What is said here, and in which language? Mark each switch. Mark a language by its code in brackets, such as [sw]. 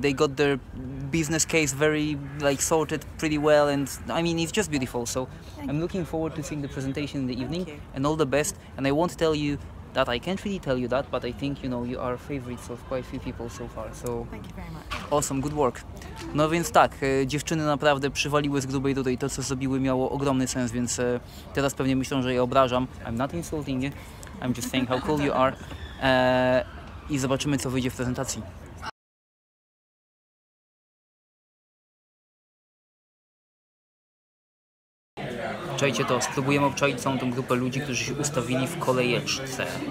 [en] They got their business case very like sorted pretty well, and I mean it's just beautiful. So thank I'm looking forward to seeing the presentation in the evening and all the best. And I won't tell you that, I can't really tell you that, but I think, you know, you are favorites of quite a few people so far, so... Thank you very much. Awesome, good work. [pl] No więc tak, dziewczyny naprawdę przywaliły z grubej dudy i to, co zrobiły, miało ogromny sens, więc teraz pewnie myślą, że je obrażam. [en] I'm not insulting you, I'm just saying how cool you are. [pl] I zobaczymy, co wyjdzie w prezentacji. Czajcie to, spróbujemy obczaić całą tą grupę ludzi, którzy się ustawili w kolejeczce.